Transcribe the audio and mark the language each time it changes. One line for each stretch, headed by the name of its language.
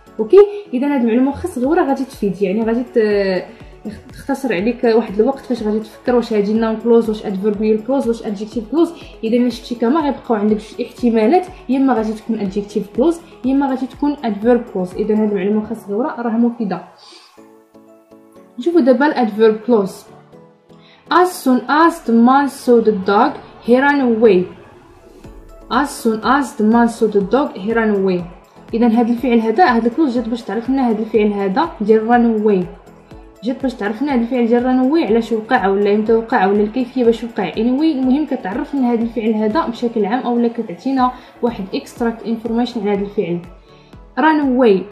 Arabic: اوكي اذا هاد المعلومه واخا صغيره غادي تفيد يعني غادي تختصر عليك واحد الوقت فاش غادي تفكر واش هادي النون كلوز واش ادفيربيال كلوز واش ادجكتيف كلوز. اذا ما شفتي كما غيبقاو عندك جوج احتمالات يا اما غادي تكون ادجكتيف كلوز يا اما غادي تكون ادفيرب كلوز. اذا هاد المعلومه خاص دورة راه مفيده. نشوفوا دابا الادفيرب كلوز.
English: As soon as the man saw the dog he ran away. As soon as the man saw the dog he ran away.
Arabic: اذا هاد الفعل هذا هاد الكلوز جات باش تعرف لنا هاد الفعل هذا ديال ران away جات باش تعرفنا هاد الفعل ديال رانوي علاش وقع ولا امتى وقع ولا الكيفيه باش وقع. anyway المهم كتعرفنا هاد الفعل هذا بشكل عام اولا كتعطينا واحد اكستراكت انفورميشن على هاد الفعل رانوي.